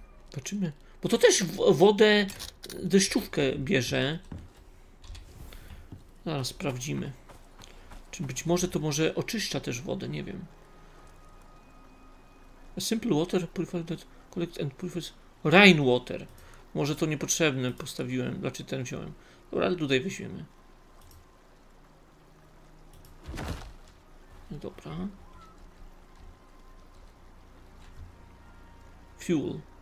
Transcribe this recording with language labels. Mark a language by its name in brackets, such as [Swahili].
[Polish] Zobaczymy. Bo to też wodę, deszczówkę bierze. Zaraz sprawdzimy. Czy być może to może oczyszcza też wodę, nie wiem. [English] A simple water purify that collect and purify rain water. [Polish] Może to niepotrzebne postawiłem, znaczy ten wziąłem. Dobra, ale tutaj weźmiemy. Dobra. [English] Fuel.